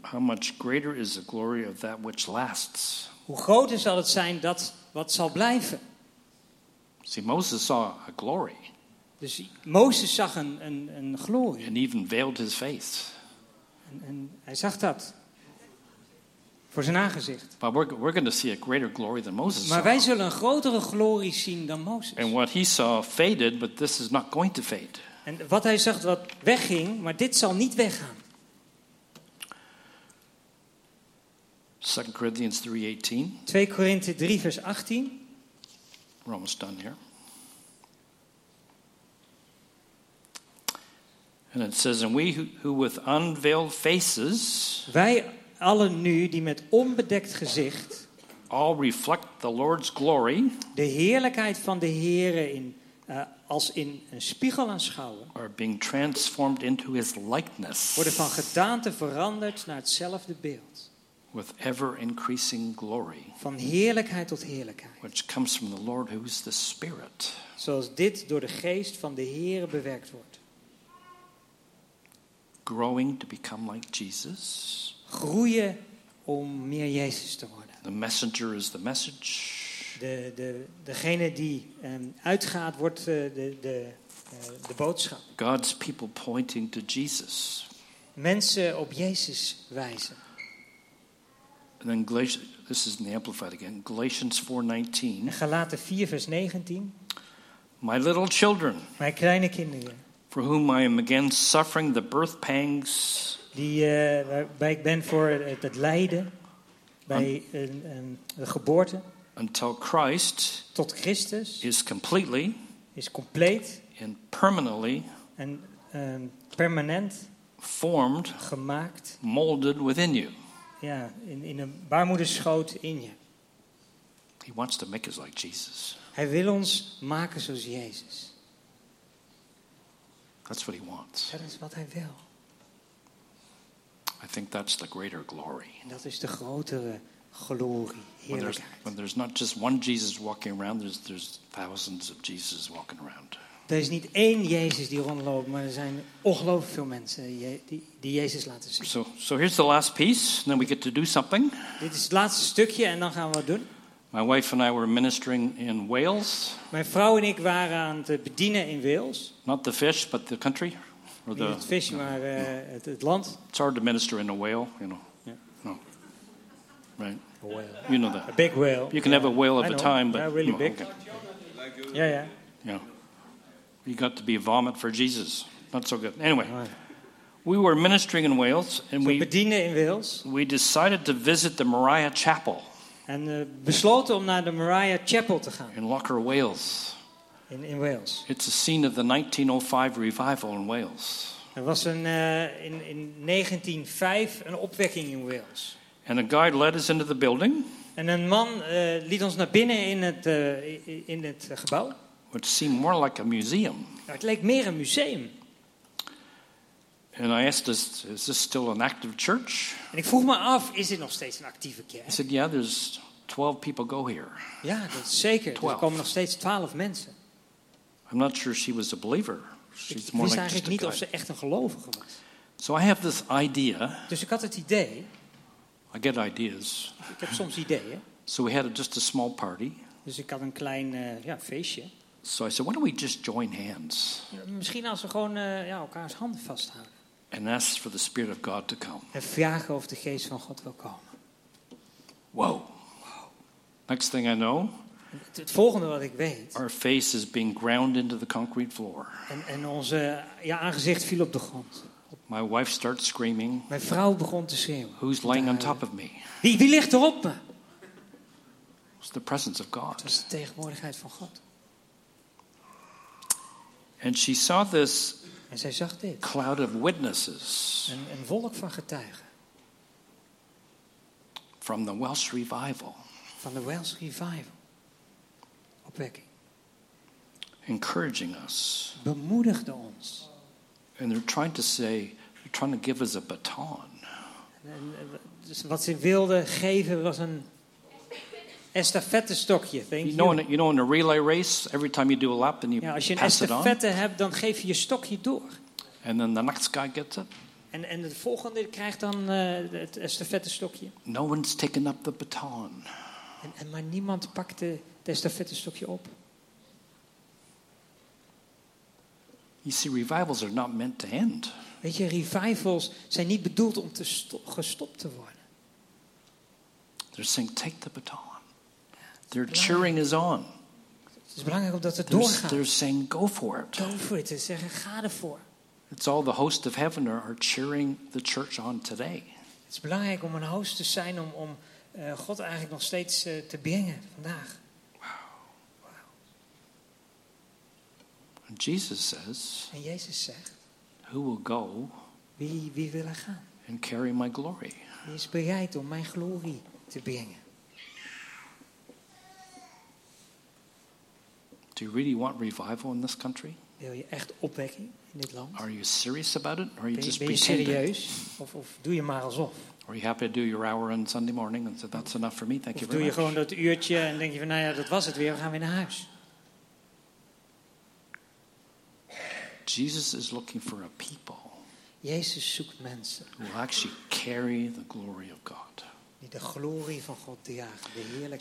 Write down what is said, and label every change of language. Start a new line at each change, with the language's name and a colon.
English: How much greater is the glory of that which lasts?
Dutch: Hoe groter zal het zijn dat wat zal blijven?
English: See, Moses saw a glory.
Dutch: Dus Mozes zag een glorie.
English: And even veiled his face.
Dutch: En hij zag dat. Voor zijn aangezicht.
English: But we're going to see a greater glory than Moses.
Dutch: Maar wij zullen een grotere glorie zien dan Mozes.
English: And what he saw faded, but this is not going to fade.
Dutch: En wat hij zag wat wegging, maar dit zal niet weggaan.
English: 2 Corinthians 3:18.
Dutch: 2 Korinthe 3 vers 18.
English: We're almost done here. And it says, and we who with unveiled faces.
Dutch: Wij allen nu die met onbedekt gezicht.
English: All reflect the Lord's glory.
Dutch: De heerlijkheid van de Here in als in een spiegel aanschouwen.
English: Are being transformed into His likeness.
Dutch: Worden van gedaante veranderd naar hetzelfde beeld.
English: With ever increasing glory.
Dutch: Van heerlijkheid tot heerlijkheid.
English: Which comes from the Lord who is the Spirit.
Dutch: Zoals dit door de Geest van de Here bewerkt wordt.
English: Growing to become like Jesus.
Dutch: Groeien om meer Jezus te worden.
English: The messenger is the message.
Dutch: Degene die uitgaat wordt de boodschap.
English: God's people pointing to Jesus.
Dutch: Mensen op Jezus wijzen.
English: And then this is in the Amplified again. Galatians 4:19.
Dutch: Galaten 4 vers 19.
English: My little children.
Dutch: Mijn kleine kinderen.
English: For whom I am again suffering the birth pangs.
Dutch: Waarbij ik ben voor het lijden bij een geboorte.
English: Until Christ.
Dutch: Tot Christus.
English: Is completely.
Dutch: Is compleet.
English: And permanently.
Dutch: En permanent.
English: Formed.
Dutch: Gemaakt.
English: Molded within you.
Dutch: Ja, in een baarmoederschoot in je.
English: He wants to make us like Jesus.
Dutch: Hij wil ons maken zoals Jezus.
English: That's what he wants.
Dutch: Dat is wat hij wil.
English: I think that's the greater glory.
Dutch: En dat is de grotere glorie, heerlijkheid.
English: When there's not just one Jesus walking around, there's thousands of Jesus walking around.
Dutch: Er is niet één Jezus die rondloopt, maar er zijn ongelooflijk veel mensen die Jezus laten zien.
English: So here's the last piece, and then we get to do something.
Dutch: Dit is het laatste stukje en dan gaan we wat doen.
English: My wife and I were ministering in Wales.
Dutch: Mijn vrouw en ik waren aan het bedienen in Wales.
English: Not the fish, but the country.
Dutch: Niet het vis, maar het land.
English: It's hard to minister in a whale, you know. Yeah. No. Right. A whale. You know that. A big whale. You can have a whale of a time, but yeah, really big. Okay. Yeah, yeah. Yeah. You got to be a vomit for Jesus. Not so good. Anyway, right. We were ministering in Wales, and we
Dutch: bedienen in Wales.
English: We decided to visit the Moriah Chapel.
Dutch: En besloten om naar de Moriah Chapel te gaan.
English: In Locker, Wales.
Dutch: In Wales.
English: It's a scene of the 1905 revival in Wales.
Dutch: Er was in 1905 een opwekking in Wales.
English: And a guide led us into the building.
Dutch: En een man liet ons naar binnen in het gebouw.
English: Which seemed more like a museum.
Dutch: Ja, het leek meer een museum.
English: And I asked, is this still an active church?
Dutch: En ik vroeg me af, is dit nog steeds een actieve kerk?
English: He said, yeah, there's 12 people go here.
Dutch: Ja, dat is zeker. 12. Er komen nog steeds 12 mensen.
English: I'm not sure she was a believer. She's
Dutch: ik
English: more
Dutch: wist
English: like
Dutch: eigenlijk niet of ze echt een gelovige was.
English: So I have this idea.
Dutch: Dus ik had het idee.
English: I get ideas.
Dutch: Ik heb soms ideeën.
English: So we had just a small party.
Dutch: Dus ik had een klein feestje.
English: So I said, why don't we just join hands?
Dutch: Misschien als we gewoon elkaars handen vasthouden.
English: And ask for the Spirit of God to come.
Dutch: En vragen of de Geest van God wil komen.
English: Wow. Next thing I know.
Dutch: Het volgende wat ik weet.
English: Our face is being ground into the concrete floor.
Dutch: En onze aangezicht viel op de grond.
English: My wife starts screaming.
Dutch: Mijn vrouw begon te schreeuwen.
English: Who's lying on top of me?
Dutch: Wie ligt erop me?
English: It's the presence of God.
Dutch: Het was de tegenwoordigheid van God.
English: And she saw this.
Dutch: En zij zag dit.
English: Cloud of witnesses.
Dutch: Een wolk van getuigen.
English: from the Welsh Revival.
Dutch: Van de Welsh Revival. Opwekking.
English: Encouraging us.
Dutch: Bemoedigde ons.
English: And they're trying to say, they're trying to give us a baton.
Dutch: Dus wat ze wilden geven was een estafette stokje.
English: You know, in a relay race, every time you do a lap and you pass it on.
Dutch: Ja, als je een estafette hebt, dan geef je je stokje door.
English: And then the next guy gets it.
Dutch: En de volgende krijgt dan het estafette stokje.
English: No one's taken up the baton.
Dutch: En maar niemand pakt het estafette stokje op.
English: You see, revivals are not meant to end.
Dutch: Weet je, revivals zijn niet bedoeld om te gestopt te worden.
English: They're saying, take the baton. They're cheering us on.
Dutch: Het is belangrijk omdat het doorgaat.
English: They're saying, go for it. Go for it.
Dutch: Ze zeggen, ga ervoor.
English: It's all the host of heaven are cheering the church on today.
Dutch: Het is belangrijk om een host te zijn om God eigenlijk nog steeds te brengen vandaag.
English: Jesus says,
Dutch: en Jezus zegt,
English: who will go
Dutch: wie wil er gaan?
English: And carry my glory?
Dutch: Wie is bereid om mijn glorie te brengen?
English: Do you really want revival in this country?
Dutch: Wil je echt opwekking in dit land?
English: Are you serious about it? Or are you
Dutch: ben,
English: just
Dutch: ben je serieus? Of doe je maar alsof?
English: Are you happy to do your hour on Sunday morning and say that's enough for me? Thank
Dutch: of
English: you very much.
Dutch: Doe je gewoon dat uurtje en denk je van, nou ja, dat was het weer. We gaan weer naar huis.
English: Jesus is looking for a people.
Dutch: Jezus zoekt mensen.
English: Who actually carry the glory of God.
Dutch: Die de glorie van God dragen, de heerlijkheid.